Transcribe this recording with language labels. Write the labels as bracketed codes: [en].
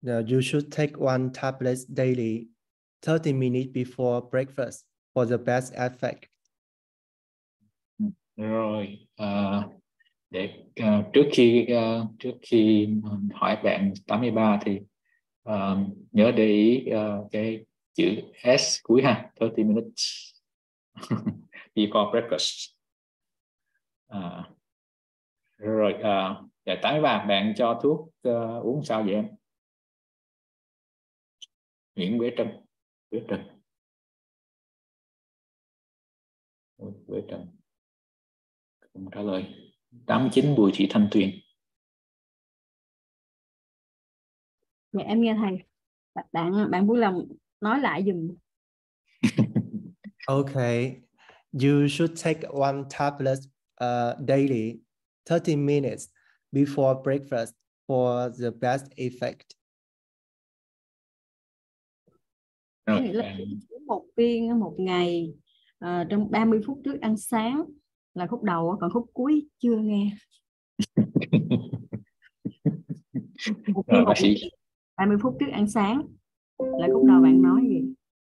[en] You should take one tablet daily, 30 minutes before breakfast for the best effect. [vi] Rồi, để trước khi hỏi bạn 83 thì nhớ để ý cái chữ S cuối ha, [en] 30 minutes. Before breakfast. [vi] Rồi, để tái vào bạn cho thuốc uống sao vậy em? Nguyễn Quế Trân. Quế Trân. Quế Trân. Không trả lời. 89 Bùi Thị Thanh Tuyền. Mẹ em nghe thầy. Bạn vui lòng nói lại dùm. Okay. [en] You should take one tablet daily, 30 minutes before breakfast for the best effect. [vi] Một viên một ngày trong 30 phút trước ăn sáng là khúc đầu, còn khúc cuối chưa nghe. Một viên một ngày, 30 phút trước ăn sáng là khúc đầu bạn nói gì?